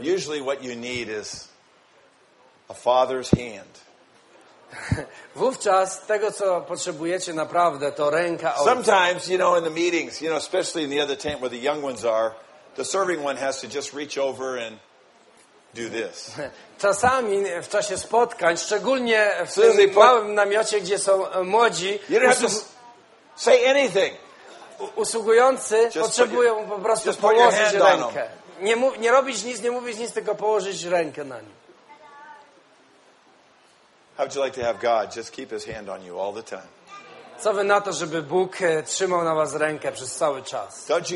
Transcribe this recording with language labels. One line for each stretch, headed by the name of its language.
English: Usually what you need is a father's hand.
Polish: Wówczas tego, co potrzebujecie naprawdę, to ręka ojca.
English: Sometimes, you know, in the meetings, you know, especially in the other tent where the young ones are, the serving one has to just reach over and do this.
Polish: Czasami w czasie spotkań, szczególnie w tym małym namiocie, gdzie są młodzi,
English: say anything.
Polish: Usługujący potrzebują po prostu położyć rękę. Nie robić nic, nie mówić nic, tylko położyć rękę na nim.
English: How would you like to have God just keep his hand on you all the time?
Polish: Co wy na to, żeby Bóg trzymał na was rękę przez cały czas?